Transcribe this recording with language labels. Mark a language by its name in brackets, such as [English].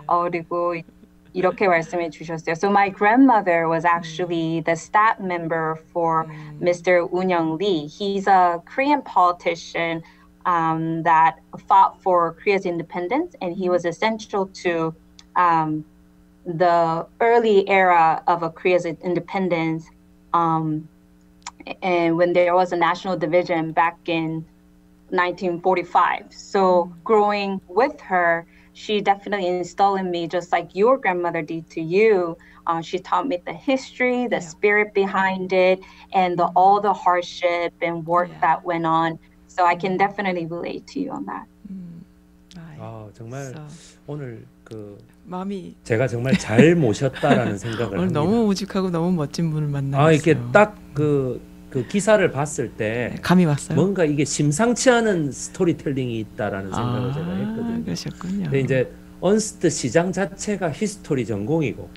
[Korean] 그리고 이렇게 말씀해 주셨어요. [English] So my grandmother was actually the staff member for Mr. 운영 Lee. He's a Korean politician. That fought for Korea's independence, and he was essential to the early era of Korea's independence. And when there was a national division back in 1945. So growing with her, she definitely instilled in me, just like your grandmother did to you. She taught me the history, the yeah. spirit behind it, and the, all the hardship and work yeah. that went on. So I can definitely relate to you on that. [Korean] 아, 정말 so. 오늘 그 마음이 제가 정말 잘 모셨다라는 생각을 오늘 합니다. 너무 우직하고 너무 멋진 분을 만났어요. 아, 이렇게 딱 그 그 기사를 봤을 때 네, 감이 왔어요. 뭔가 이게 심상치 않은 스토리텔링이 있다라는 생각을 제가 했거든요. 그러셨군요. 근데 이제 언스트 시장 자체가 히스토리 전공이고